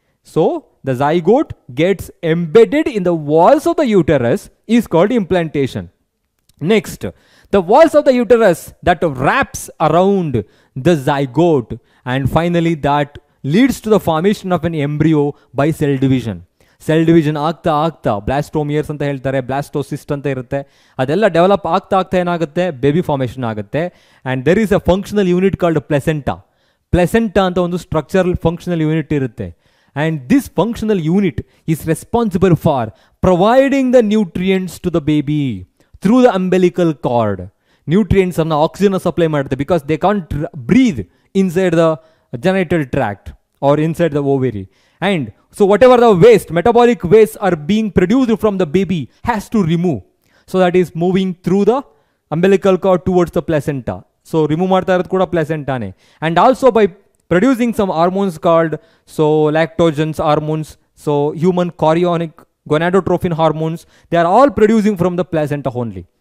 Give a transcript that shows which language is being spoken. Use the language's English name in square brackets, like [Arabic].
[English] So the zygote gets embedded in the walls of the uterus is called implantation. Next, the walls of the uterus that wraps around the zygote, and finally that leads to the formation of an embryo by cell division. [Kannada] Cell division ಆಗ್ತಾ ಆಗ್ತಾ, blastomeres ಅಂತ ಹೇಳ್ತಾರೆ, blastocyst ಅಂತ ಇರುತ್ತೆ, ಅದೆಲ್ಲ develop ಆಗ್ತಾ ಆಗ್ತಾ ಏನಾಗುತ್ತೆ? ಬೇಬಿ ಫಾರ್ಮೇಷನ್ ಆಗುತ್ತೆ. [English] And there is a functional unit called placenta. [Kannada] Placenta ಅಂತ ಒಂದು ಸ್ಟ್ರಕ್ಚರಲ್ ಫಂಕ್ಷನಲ್ ಯೂನಿಟ್ ಇರುತ್ತೆ. [English] And this functional unit is responsible for providing the nutrients to the baby through the umbilical cord. [Kannada] ನ್ಯೂಟ್ರಿಯೆಂಟ್ಸನ್ನು oxygen supply ಮಾಡುತ್ತೆ, [English] Because they can't breathe inside the genital tract or inside the ovary. And so whatever the waste, metabolic waste are being produced from the baby has to remove. So that is moving through the umbilical cord towards the placenta. [Kannada] So remove martta irudhu kuda placenta ne. [English] And also by producing some hormones called lactogens hormones, human chorionic gonadotropin hormones, they are all producing from the placenta only.